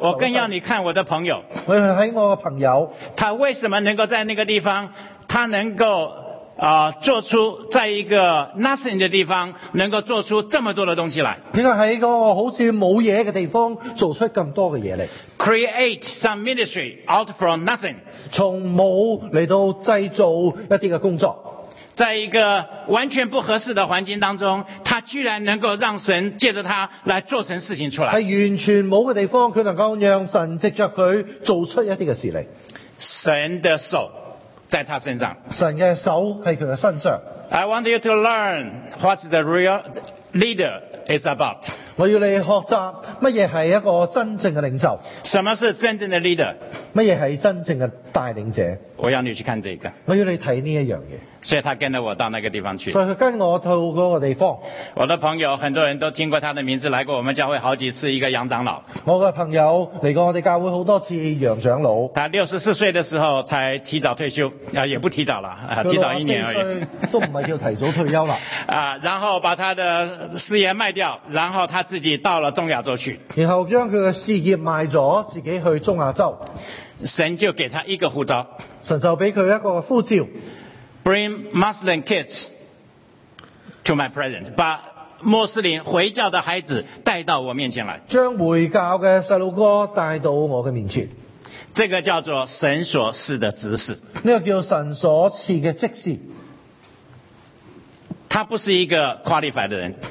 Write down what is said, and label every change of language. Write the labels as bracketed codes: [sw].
[zh] 我更要你看我的朋友。我要看我的朋友。他为什么能够在那个地方，他能够做出在一个 nothing 的地方能够做出这么多的东西来。为什么在一个好像没有东西的地方做出这么多的东西来。 [en] Create some ministry out from nothing， [zh] 从没有来到制造一些的工作。在一个完全不合适的环境当中，他居然能够让神借着他来做成事情出来。在完全没有的地方，他能够让神藉着他做出一些的事来。神的手在他身上。神的手在他的身上。 [en] I want you to learn what the real leader is about. [zh] 我要你学习什么是一个真正的领袖。什么是真正的 leader? 什么是真正的带领者。我要你去看这个。我要你看这样的。所以他跟着我到那个地方去。所以他跟我到那个地方。我的朋友很多人都听过他的名字，来过我们教会好几次，一个杨长老。我的朋友来过我们教会很多次，杨长老。他64岁的时候才提早退休，也不提早了，提早一年而已。都不是叫提早退休了。然后把他的事业卖掉，然后他自己到了中亚洲去。然后将他的事业卖了，自己去中亚洲。神就给他一个呼召。神就给他一个呼召。 [en] Bring Muslim kids to my presence. [zh] 把穆斯林回教的孩子带到我面前来。将回教的小孩带到我的面前。这个叫做神所赐的指示，这个叫神所赐的指示。他不是一个 qualified 的人，